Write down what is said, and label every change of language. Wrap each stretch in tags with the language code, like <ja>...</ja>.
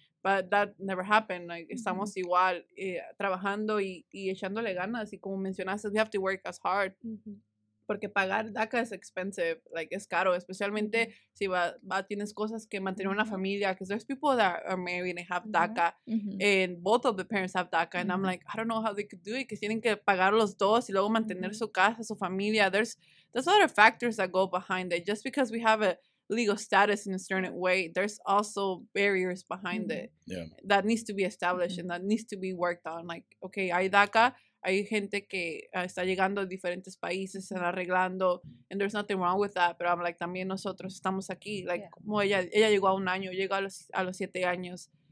<es>But that never happened. Like, estamos igual trabajando y echándole ganas.</es> <en>Y como mencionaste, we have to work as hard. Porque pagar DACA is expensive. Like, es caro.</en> <es>Especialmente si tienes cosas que mantener una familia.</es> <en>Because there's people that are married and have DACA. And both of the parents have DACA. And I'm like, I don't know how they could do it.</en> <es>Que tienen que pagar los dos y luego mantener su casa, su familia.</es> <en>There's other factors that go behind it. Just because we have a legal status in a certain way, there's also barriers behind it that needs to be established and that needs to be worked on.</en> <es>Like, okay, hay DACA, hay gente que está llegando a diferentes países, están arreglando, and there's nothing wrong with that, pero I'm like, también nosotros estamos aquí, like, como ella llegó a un año, llegó a los 7 años.</es>